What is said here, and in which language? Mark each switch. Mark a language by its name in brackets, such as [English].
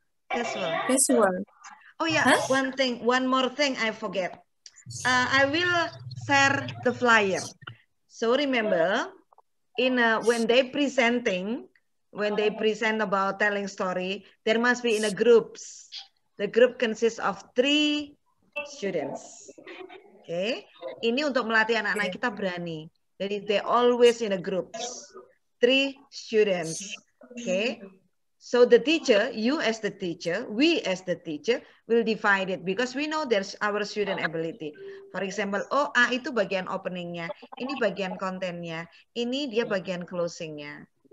[English] Casual. Oh yeah, one more thing I forget. I will share the flyer. So remember, when they present about telling story, there must be in a groups. The group consists of 3 students. [Indonesian] Okay, ini untuk melatih anak-anak kita berani. Jadi [English] they always in a groups, 3 students. Okay, so the teacher, you as the teacher, we as the teacher will divide it because we know there's our student ability. For example, [Indonesian] A itu bagian openingnya, ini bagian kontennya, ini dia bagian closingnya.